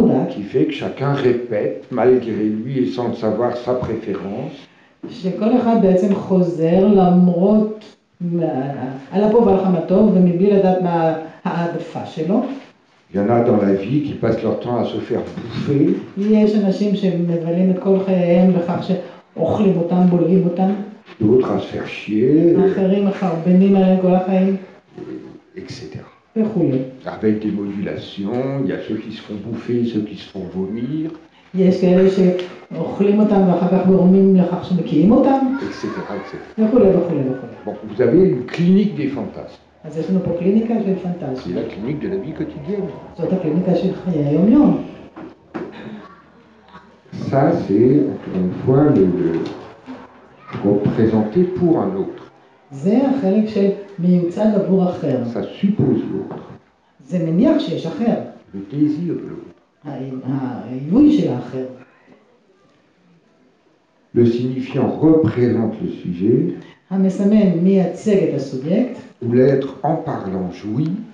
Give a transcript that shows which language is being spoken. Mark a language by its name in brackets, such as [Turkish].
[French] qui fait que chacun répète, malgré lui et sans le savoir, sa préférence. [Hebrew] שכל אחד בעצם חוזר למרות על הפה ועל חמתו ומבלי לדעת מה העדפה שלו. [French] Il y en a dans la vie qui passent leur temps à se faire bouffer. [Hebrew] יש אנשים שמבלים את כל חייהם בכך שאוכלים אותם, בולעים אותם. [French] D'autres à se faire chier. [Hebrew] אחרים מחרבנים עליהם כל החיים. [French] Etc. [Hebrew] וכו'. [French] Avec des modulations, il y a ceux qui se font bouffer, ceux qui se font vomir. [Hebrew] יש כאלה שאוכלים אותם ואחר כך גורמים לכך שמקיים אותם. [French] Bon, vous avez une clinique des fantasmes. [Hebrew] אז יש לנו פה קליניקה של פנטזיה. [French] C'est la clinique de la vie quotidienne. [Hebrew] זאת הקליניקה של חיי היום-יום. [French] Ça, c'est encore une fois le représenté pour un autre. [Hebrew] זה החלק שמיוצג עבור אחר. [French] Ça suppose l'autre. [Hebrew] זה מניח שיש אחר. [French] Le désir de l'autre. Le signifiant représente le sujet. [Hebrew] המסמן מייצג את הסובייקט. [French] Ou l'être en parlant jouit.